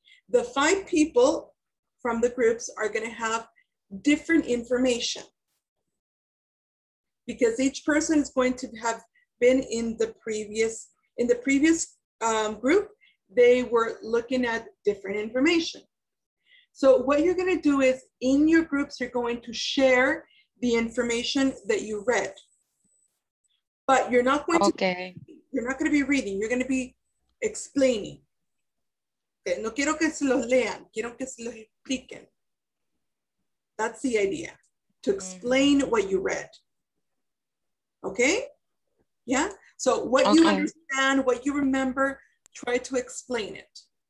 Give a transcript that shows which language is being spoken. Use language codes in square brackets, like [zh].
[en] The five people from the groups are going to have different information because each person is going to have been in the previous group. They were looking at different information. So what you're going to do is in your groups, you're going to share the information that you read, but you're not going okay. to, you're not going to be reading. You're going to be explaining. Okay. [es] No quiero que se los lean, quiero que se los expliquen. [en] That's the idea, to explain what you read. Okay? Yeah? So what you understand, what you remember, try to explain it.